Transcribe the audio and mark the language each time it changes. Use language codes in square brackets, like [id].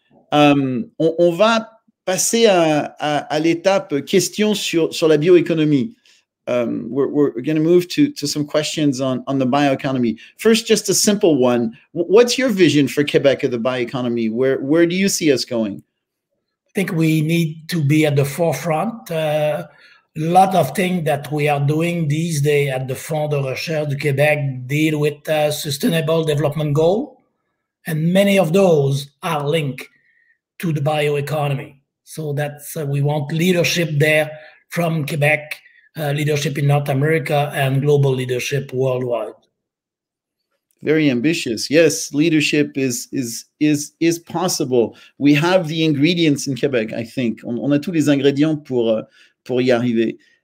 [fr] On va passer à l'étape question sur la bioéconomie. [en] We're going to move to some questions on the bioeconomy. First, just a simple one. What's your vision for Quebec of the bioeconomy? Where do you see us going? I think we need to be at the forefront. A lot of things that we are doing these days at the Fonds de Recherche du Québec deal with sustainable development goal. And many of those are linked to the bioeconomy. So that's we want leadership there from Quebec, leadership in North America, and global leadership worldwide. Very ambitious. Yes, leadership is possible. We have the ingredients in Quebec, I think. [fr] On a tous les ingrédients pour y arriver.